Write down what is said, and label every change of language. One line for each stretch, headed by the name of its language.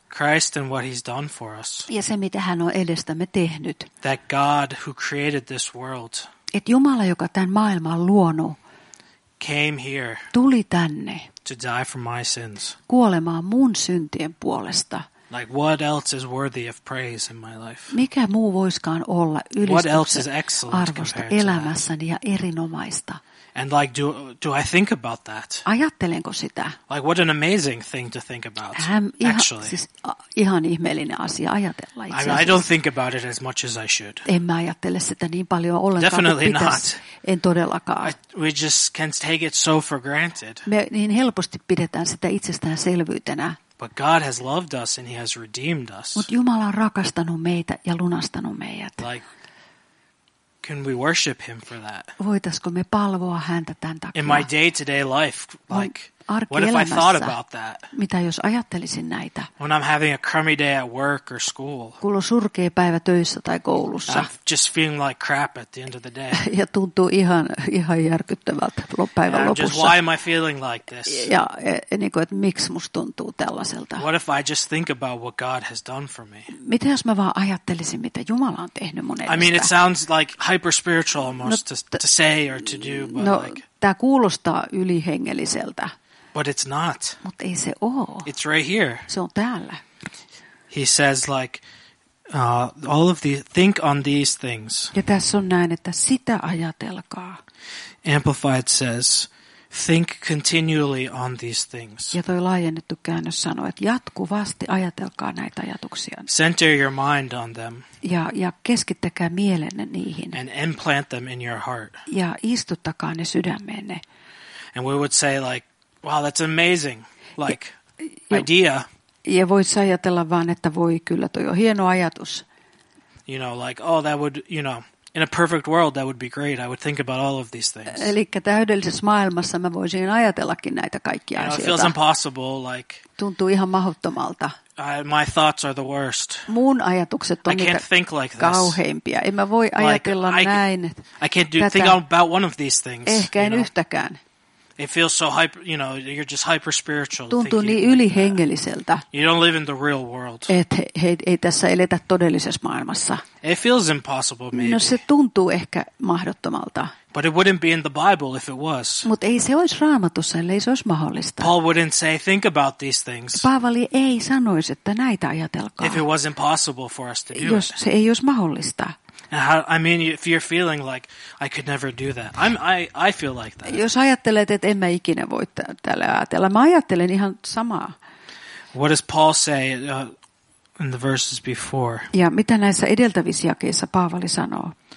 English: Christ and what he's done for us.
Finnish: Ja se, mitä hän on edestämme tehnyt.
English: That God who created this world.
Finnish: Et Jumala, joka tämän maailman luonut.
English: Came here.
Finnish: Tuli tänne.
English: To die for my sins.
Finnish: Kuolemaan mun syntien puolesta.
English: Like what else is worthy of praise in my life?
Finnish: Mikä muu voiskaan olla ylistyksen arvosta elämässäni ja erinomaista?
English: And like do I think about that?
Finnish: Ajattelenko sitä?
English: Like what an amazing thing to think about. Actually.
Finnish: Siis ihan ihmeellinen asia ajatella itse asiassa.
English: I don't think about it as much as I should.
Finnish: En mä ajattele sitä niin paljon ollenkaan.
English: Definitely not.
Finnish: En todellakaan.
English: We just can take it so for granted.
Finnish: Me niin helposti pidetään sitä itsestäänselvyytenä.
English: But God has loved us and he has redeemed us.
Finnish: Mut Jumala on rakastanut meitä ja lunastanut meidät.
English: Like, can we worship him for that?
Finnish: Voitasko me palvoa häntä tämän takia?
English: In my day-to-day life, like, what if I thought about that?
Finnish: Mitä jos ajattelisin näitä?
English: When I'm having a crummy day at work or school.
Finnish: Kun on surkea päivä töissä tai koulussa.
English: I'm just feeling like crap at the end of the day.
Finnish: Ja tuntuu ihan järkyttävältä loppupäivän lopussa.
English: Just why am I feeling like this?
Finnish: Ja niin kuin, että miksi musta tuntuu tällaiselta?
English: What if I just think about what God has done for me?
Finnish: Mitä jos mä vaan ajattelisin, mitä Jumala on tehnyt mun edestä?
English: I mean, it sounds like hyper-spiritual almost to say or to do. But no, like,
Finnish: tää kuulostaa ylihengelliseltä.
English: But it's not.
Finnish: Mutta ei se ole.
English: It's right here.
Finnish: Se on täällä.
English: He says like all of the think on these things.
Finnish: Ja tässä on näin, että sitä ajatelkaa.
English: Amplified says think continually on these things.
Finnish: Ja toi laajennettu käännös sanoo, että jatkuvasti ajatelkaa näitä ajatuksia.
English: Center your mind on them.
Finnish: Ja keskittäkää mielenne niihin.
English: And implant them in your heart.
Finnish: Ja istuttakaa ne sydämeenne.
English: And we would say like wow, that's amazing. Like idea.
Finnish: Ja voit ajatella vaan, että voi kyllä, toi on hieno ajatus.
English: You know, like oh, that would, you know, in a perfect world that would be great. I would think about all of these things.
Finnish: Eli täydellisessä maailmassa mä voisin ajatellakin näitä kaikkia asioita.
English: You know, it feels impossible, like
Finnish: tuntuu ihan mahdottomalta.
English: My thoughts are the worst.
Finnish: Mun ajatukset on kauheimpia. En mä voi ajatella
English: like,
Finnish: näin.
English: I can't do think about one of these things.
Finnish: Ehkä en yhtäkään.
English: It feels so hyper, you know, you're just hyper spiritual.
Finnish: Tuntuu niin ylihengelliseltä.
English: You don't live in the real world.
Finnish: Ei tässä eletä todellisessa maailmassa.
English: It feels impossible maybe.
Finnish: No se tuntuu ehkä mahdottomalta.
English: But it wouldn't be in the Bible if it was.
Finnish: Mut ei se olisi Raamatussa, ellei se olisi mahdollista.
English: Paul wouldn't say think about these things.
Finnish: Paavali ei sanoisi, että näitä ajatelkaa.
English: If it was impossible for us to do.
Finnish: Jos se ei olisi mahdollista.
English: I mean, if you're feeling like I could never do that, I feel like that.
Finnish: Jos ajattelet, että en mä ikinä voi tälle ajatella, mä ajattelen ihan samaa.
English: What does Paul say in the verses before?
Finnish: Ja mitä näissä edeltävissä jakeissa Paavali sanoo?